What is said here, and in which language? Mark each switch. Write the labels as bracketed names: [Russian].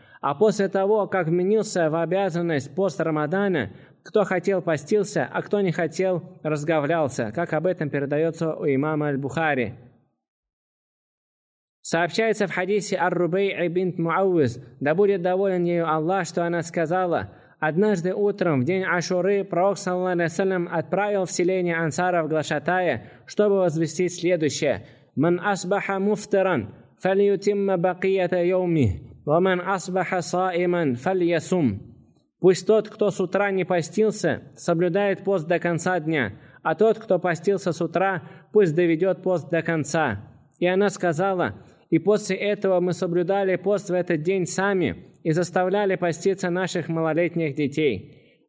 [Russian] А после того, как вменился в обязанность пост Рамадана, кто хотел постился, а кто не хотел, разговлялся, как об этом передается у имама Аль-Бухари. Сообщается в хадисе Ар-Рубей'и бинт Муаввиз, да будет доволен ею Аллах, что она сказала: «Однажды утром, в день Ашуры, Пророк, саллаллаху алейхи ва саллям, отправил в селение ансаров глашатая, чтобы возвестить следующее: [Arabic] من أصبح مفطرا فليتم بقية يومه ومن أصبح صائما فليصم. [Russian] Пусть тот, кто с утра не постился, соблюдает пост до конца дня, а тот, кто постился с утра, пусть доведет пост до конца. И она сказала: «И после этого мы соблюдали пост в этот день сами и заставляли поститься наших малолетних детей.